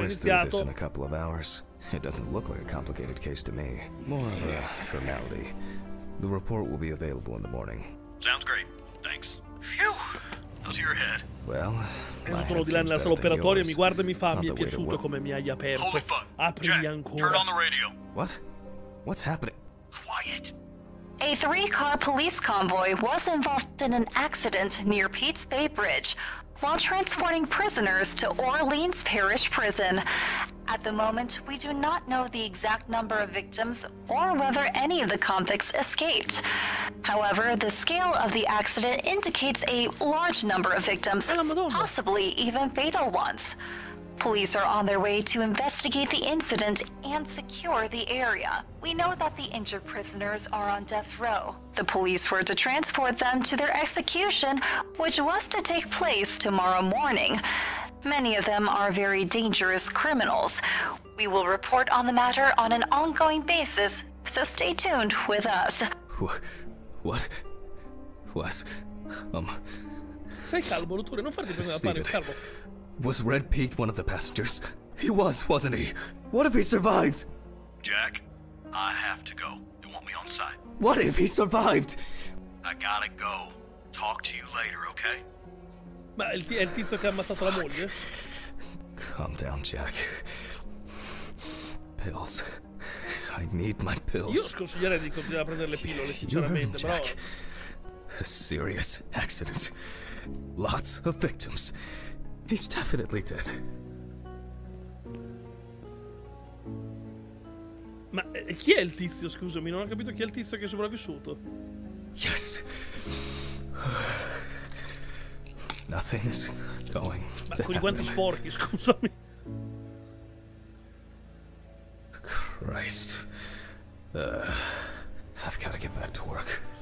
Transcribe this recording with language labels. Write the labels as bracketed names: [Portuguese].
[English] I'll whiz through this in a couple of hours. It doesn't look like a complicated case to me. More of a formality. The report will be available in the morning. Sounds great. Thanks. Phew! How's your head? Well, [Italian] è tutto di là nella sala operatoria, mi guarda e mi fa, mi è piaciuto come mi hai aperto. Apri ancora. [English] Turn on the radio. What? What's happening? Quiet. A three-car police convoy was involved in an accident near Pete's Bay Bridge while transporting prisoners to Orleans Parish Prison. At the moment, we do not know the exact number of victims or whether any of the convicts escaped. However, the scale of the accident indicates a large number of victims, possibly even fatal ones. Police are on their way to investigate the incident and secure the area. We know that the injured prisoners are on death row. The police were to transport them to their execution, which was to take place tomorrow morning. Many of them are very dangerous criminals. We will report on the matter on an ongoing basis, so stay tuned with us. What? Was? [Italian] Stai calmo, dottore, non farti prendere la panica, calmo. [English] Was Red Pete one of the passengers? He was, wasn't he? What if he survived? Jack, I have to go. You want me on site? What if he survived? I gotta go. Talk to you later, okay? [Italian] Ma è il tizio che ha ammazzato la moglie? [English] Calm down, Jack. Pills. I need my pills. [Italian] Io sconsiglierei di continuare a prendere le pillole, sinceramente, però... [English] Jack. A serious accident. Lots of victims. He's definitely dead. [Italian] Ma chi è il tizio, scusami? Non ho capito chi è il tizio che è sopravvissuto. [English] Yes. Nothing is going. [Italian] Ma con i guanti sporchi, scusami. [English] Christ. I've gotta get back to work.